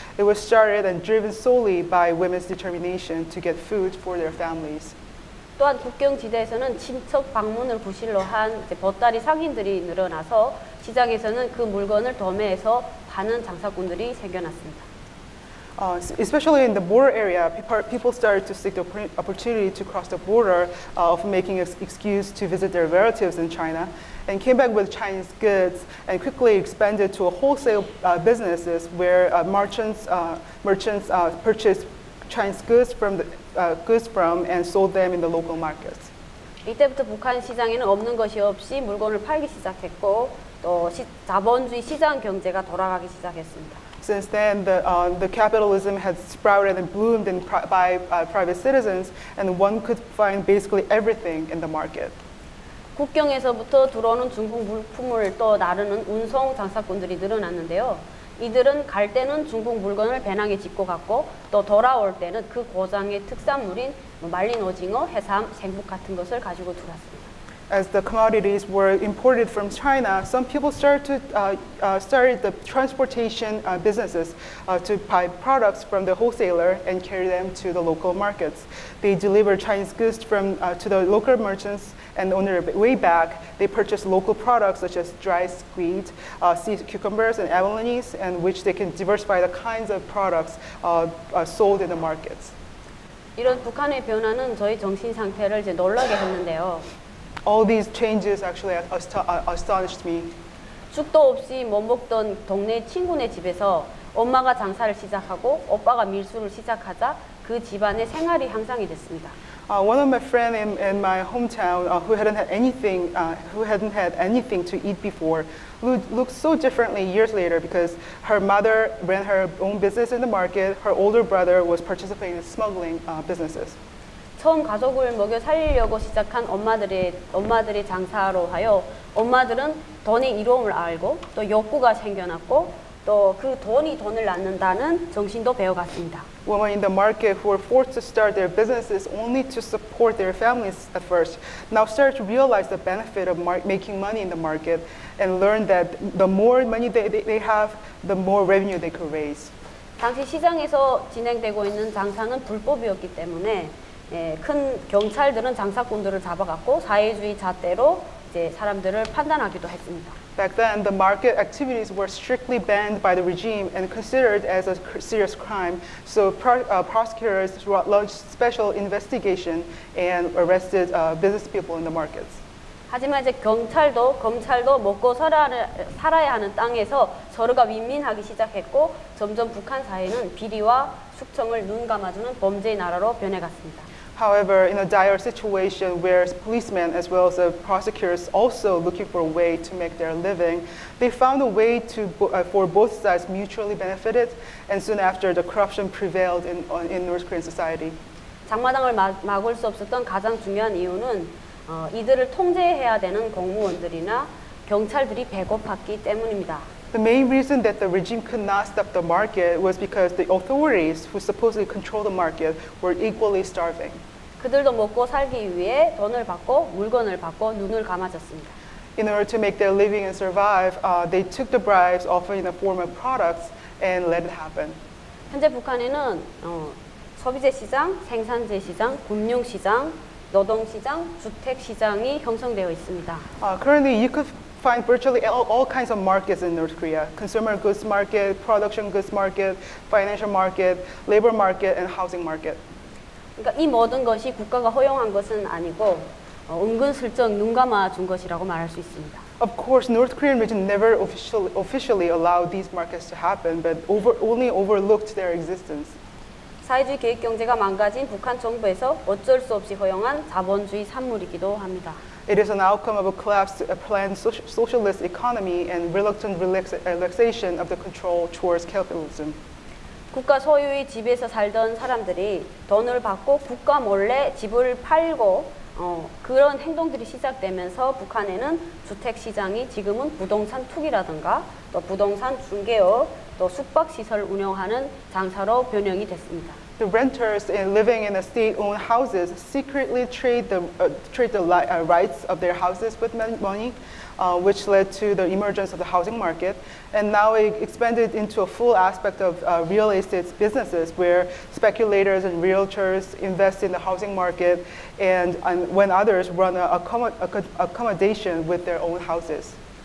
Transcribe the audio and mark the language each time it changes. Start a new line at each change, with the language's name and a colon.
English: It was started and driven solely by women's determination to get food for their families.
Korean: 또한 국경지대에서는 친척 방문을 구실로 한 이제 보따리 상인들이 늘어나서 시장에서는 그 물건을 도매해서 파는 장사꾼들이 생겨났습니다.
English: Especially in the border area, people started to seek the opportunity to cross the border, often making an excuse to visit their relatives in China, and came back with Chinese goods and quickly expanded to a wholesale businesses where merchants purchased Chinese goods from the goods from and sold them in the local markets.
Korean: 이때부터 북한 시장에는 없는 것이 없이 물건을 팔기 시작했고 또 자본주의 시장 경제가 돌아가기 시작했습니다.
English: Since then, the capitalism had sprouted and bloomed in private citizens, and one could find basically everything in the market.
Korean: 국경에서부터 들어오는 중국 물품을 또 나르는 운송 장사꾼들이 늘어났는데요. 이들은 갈 때는 중국 물건을 배낭에 짚고 갔고 또 돌아올 때는 그 고장의 특산물인 말린 오징어, 해삼, 생북 같은 것을 가지고 들어왔습니다.
English: As the commodities were imported from China, some people started the transportation businesses to buy products from the wholesaler and carry them to the local markets. They delivered Chinese goods to the local merchants, and on their way back, they purchased local products such as dried squid, sea cucumbers, and abalones, and which they can diversify the kinds of products sold in the markets.
Korean: 이런 북한의 변화는 저희 정신 상태를 이제 놀라게 했는데요.
English: All these changes actually astonished me.
Korean: 죽도 없이 못 먹던 동네 친구네 집에서 엄마가 장사를 시작하고 오빠가 밀수를 시작하자 그 집안의 생활이 향상이 됐습니다.
English: One of my friends in my hometown who hadn't had anything to eat before looked so differently years later because her mother ran her own business in the market. Her older brother was participating in smuggling businesses.
Korean: 처음 가족을 먹여 살리려고 시작한 엄마들의 장사로 하여 엄마들은 돈의 이로움을 알고 또 욕구가 생겨났고 또 그 돈이 돈을 낳는다는 정신도 배워갔습니다.
English: Women in the market who were forced to start their businesses only to support their families at first now started to realize the benefit of making money in the market and learned that the more money they have, the more revenue they could raise.
Korean: 당시 시장에서 진행되고 있는 장사는 불법이었기 때문에 예, 큰 경찰들은 장사꾼들을 잡아갔고 사회주의 잣대로 이제 사람들을 판단하기도 했습니다.
English: Back then, the market activities were strictly banned by the regime and considered as a serious crime. So prosecutors launched special investigation and arrested business people in the markets.
Korean: 하지만 이제 검찰도 먹고 살아야 하는 땅에서 서로가 윈윈하기 시작했고 점점 북한 사회는 비리와 숙청을 눈감아주는 범죄의 나라로 변해갔습니다.
English: However, in a dire situation where policemen as well as the prosecutors also looking for a way to make their living, they found a way to for both sides mutually benefited, and soon after the corruption prevailed in North Korean society.
Korean: 장마당을 막을 수 없었던 가장 중요한 이유는 이들을 통제해야 되는 공무원들이나 경찰들이 배고팠기 때문입니다.
English: The main reason that the regime could not stop the market was because the authorities who supposedly control the market were equally starving.
Korean: 그들도 먹고 살기 위해 돈을 받고 물건을 받고 눈을 감아줬습니다.
English: In order to make their living and survive, they took the bribes often in the form of products and let it happen.
Korean: 현재 북한에는 소비재 시장, 생산재 시장, 금융 시장, 노동 시장, 주택 시장이 형성되어 있습니다.
English: Currently, you could find virtually all kinds of markets in North Korea: consumer goods market, production goods market, financial market, labor market, and housing market.
Korean: 그러니까 이 모든 것이 국가가 허용한 것은 아니고 은근슬쩍 눈 감아 준 것이라고 말할 수 있습니다.
English: Of course, North Korean regime never officially allowed these markets to happen, but only overlooked their existence.
Korean: 사회주의 계획 경제가 망가진 북한 정부에서 어쩔 수 없이 허용한 자본주의 산물이기도 합니다.
English: It is an outcome of a collapsed, a planned socialist economy and reluctant relaxation of the control towards capitalism.
Korean: 국가 소유의 집에서 살던 사람들이 돈을 받고 국가 몰래 집을 팔고 그런 행동들이 시작되면서 북한에는 주택 시장이 지금은 부동산 투기라든가 또 부동산 중개업 또 숙박 시설 운영하는 장사로 변형이 됐습니다.
English: The renters living in the state-owned houses secretly trade the rights of their houses with money, which led to the emergence of the housing market. And now it expanded into a full aspect of real estate businesses where speculators and realtors invest in the housing market and when others run an accommodation with their own houses.